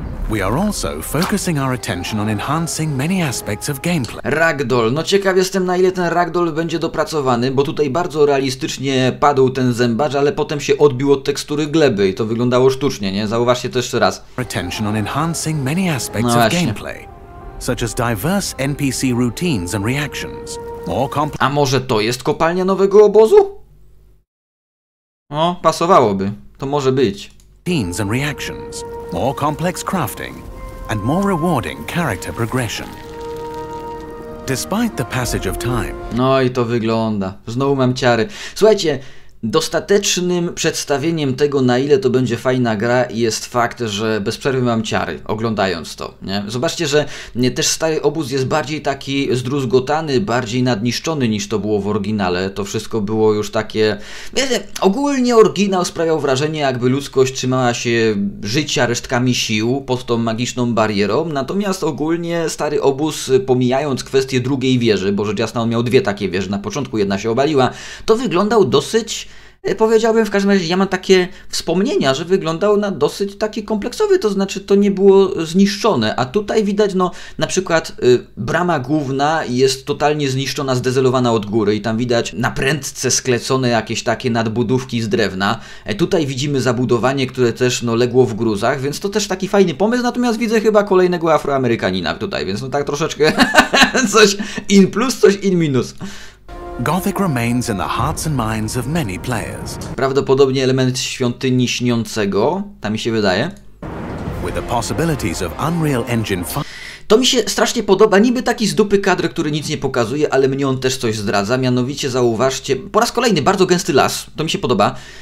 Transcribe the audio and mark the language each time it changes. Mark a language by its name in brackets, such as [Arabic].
[English] We are also focusing our attention on enhancing many aspects of gameplay. Ragdoll. [Polish] No ciekaw jestem, na ile ten ragdoll będzie dopracowany, bo tutaj bardzo realistycznie padł ten zębacz, ale potem się odbił od tekstury gleby i to wyglądało sztucznie, nie? Zauważcie to jeszcze raz. [English] Attention on enhancing many aspects no of gameplay, such as diverse NPC routines and reactions. [Polish] A może to jest kopalnia nowego obozu? No, pasowałoby. To może być. [English] Routines and reactions. More complex crafting and more rewarding character progression. Despite the passage of time. [Polish] No i to wygląda. Znowu mam ciary. Słuchajcie, dostatecznym przedstawieniem tego, na ile to będzie fajna gra, jest fakt, że bez przerwy mam ciary, oglądając to, nie? Zobaczcie, że też stary obóz jest bardziej taki zdruzgotany, bardziej nadniszczony niż to było w oryginale. To wszystko było już takie... Wiecie, ogólnie oryginał sprawiał wrażenie, jakby ludzkość trzymała się życia resztkami sił pod tą magiczną barierą. Natomiast ogólnie stary obóz, pomijając kwestię drugiej wieży, bo rzecz jasna on miał dwie takie wieże, na początku jedna się obaliła, to wyglądał dosyć... Powiedziałbym, w każdym razie ja mam takie wspomnienia, że wyglądał na dosyć taki kompleksowy, to znaczy to nie było zniszczone, a tutaj widać, no na przykład brama główna jest totalnie zniszczona, zdezelowana od góry i tam widać na prędce sklecone jakieś takie nadbudówki z drewna. Tutaj widzimy zabudowanie, które też no legło w gruzach, więc to też taki fajny pomysł, natomiast widzę chyba kolejnego Afroamerykanina tutaj, więc no tak troszeczkę coś in plus, coś in minus. [English] Gothic remains in the hearts and minds of many players. [Polish] Prawdopodobnie element świątyni śniącego, tak mi się wydaje. [English] With the possibilities of Unreal Engine 5. [Polish] To mi się strasznie podoba, niby taki z dupy kadr, który nic nie pokazuje, ale mnie on też coś zdradza, mianowicie zauważcie, po raz kolejny, bardzo gęsty las, to mi się podoba.